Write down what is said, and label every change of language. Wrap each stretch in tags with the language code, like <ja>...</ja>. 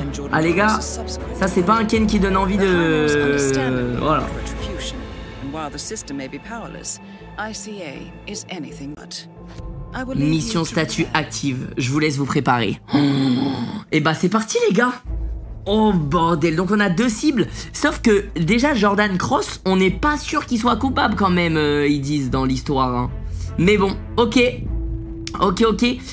<fr>Ah les gars, ça c'est pas un Ken qui donne envie de voilà.</fr> <en>While the system may be powerless, ICA is anything but.</en> <fr>Mission statut active, je vous laisse vous préparer. Et bah c'est parti les gars. Oh bordel, donc on a deux cibles. Sauf que déjà Jordan Cross, on n'est pas sûr qu'il soit coupable quand même, ils disent dans l'histoire. Hein. Mais bon, ok. Ok, ok.</fr>